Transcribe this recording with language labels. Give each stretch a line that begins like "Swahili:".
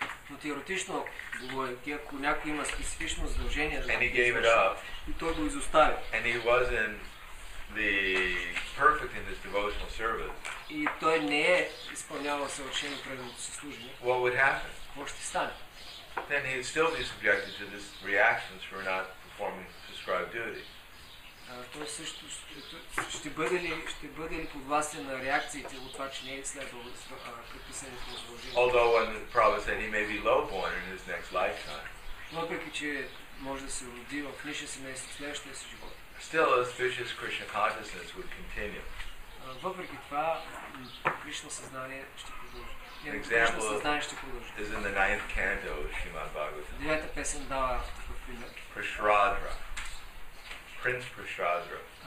Bulgarian: Но теоретично, ако някой има специфично задължение да го извърши, и той го изостави.
English: And he wasn't the perfect in his devotional service.
Bulgarian: И той не е изпълнявал съвършено преданото си служение.
English: What would happen?
Bulgarian: Какво ще стане?
English: Then he'd still be subjected to these reactions for not performing prescribed duty.
Bulgarian: Той също ще бъде ли подвластен на реакциите от това, че не е следвал предписаните задължения.
English: Although when the prophet said he may be low born in his next lifetime.
Bulgarian: Въпреки че може да се роди в нише семейство в следващия си живот.
English: Still auspicious Krishna consciousness would continue.
Bulgarian: Въпреки това, Кришна съзнание ще продължи.
English: Example is in the 9th canto of Srimad Bhagavatam. Prashradra. Prince Prashradra.